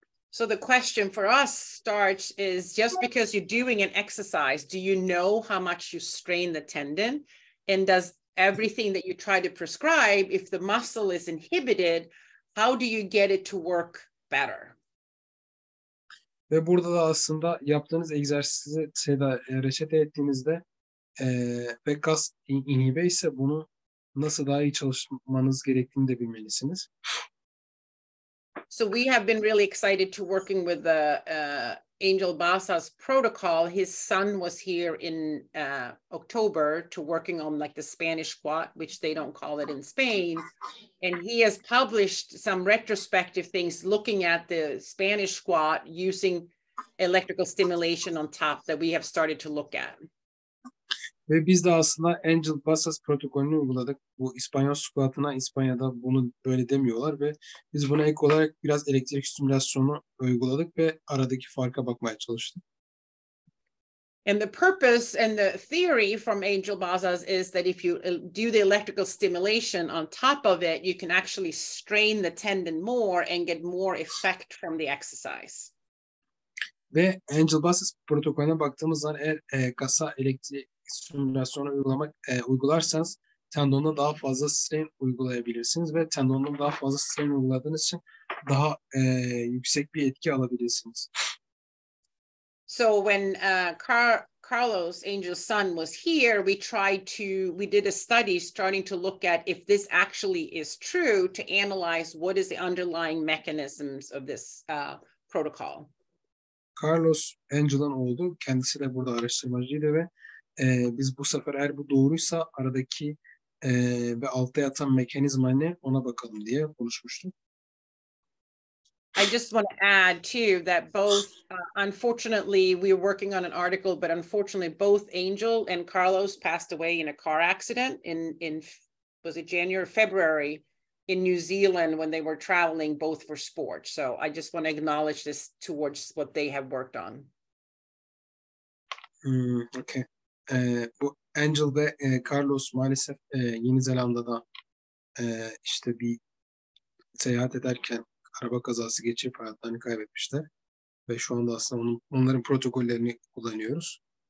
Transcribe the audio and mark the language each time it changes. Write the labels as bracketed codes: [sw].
[en] So the question for us starts is, just because you're doing an exercise, do you know how much you strain the tendon? And does everything that you try to prescribe, if the muscle is inhibited, how do you get it to work better? [tr] Ve burada da aslında yaptığınız egzersizi reçete ettiğinizde ve kas inhibe ise bunu nasıl daha iyi çalışmanız gerektiğini de bilmelisiniz. [en] So we have been really excited to working with the Angel Basa's protocol. His son was here in October to working on like the Spanish squat, which they don't call it in Spain. And he has published some retrospective things looking at the Spanish squat using electrical stimulation on top that we have started to look at. [tr] Ve biz de aslında Angel Basa's protokolünü uyguladık. Bu İspanyol squat'ına İspanya'da bunu böyle demiyorlar ve biz buna ek olarak biraz elektrik stimülasyonu uyguladık ve aradaki farka bakmaya çalıştık. [en] And the purpose and the theory from Angel Bazas is that if you do the electrical stimulation on top of it, you can actually strain the tendon more and get more effect from the exercise. [tr] Ve Angel Bazas protokolüne baktığımız zaman eğer kasa elektrik stimülasyonu uygulamak uygularsanız tendonda daha fazla strain uygulayabilirsiniz ve tendonda daha fazla strain uyguladığınız için daha yüksek bir etki alabilirsiniz. [en] So when Carlos, Angel's son, was here, we did a study starting to look at if this actually is true to analyze what is the underlying mechanisms of this protocol. [tr] Carlos, Angel'ın oğlu, kendisi de burada araştırmacıydı ve biz bu sefer eğer bu doğruysa aradaki ve altta yatan mekanizma ne ona bakalım diye konuşmuştuk. [en] I just want to add too that both, unfortunately, we were working on an article, but unfortunately, both Angel and Carlos passed away in a car accident in was it January or February in New Zealand when they were traveling both for sport. So I just want to acknowledge this towards what they have worked on. Okay. [tr] Bu Angel ve Carlos maalesef Yeni Zelanda'da işte bir seyahat ederken araba kazası geçirip hayatlarını kaybetmişler ve şu anda aslında onların protokollerini kullanıyoruz.